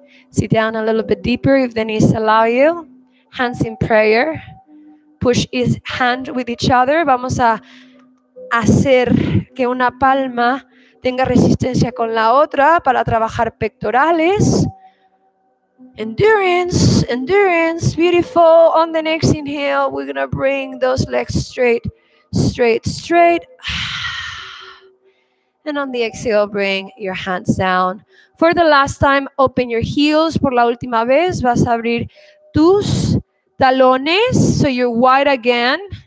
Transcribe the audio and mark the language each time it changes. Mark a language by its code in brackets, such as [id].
[en] Sit down a little bit deeper if the knees allow you. Hands in prayer. Push each hand with each other. [es] Vamos a hacer que una palma tenga resistencia con la otra para trabajar pectorales. [en] Endurance, endurance. Beautiful. On the next inhale, we're going to bring those legs straight, straight, straight. And on the exhale, bring your hands down. For the last time, open your heels. [es] Por la última vez, vas a abrir tus talones [en] so you're wide again.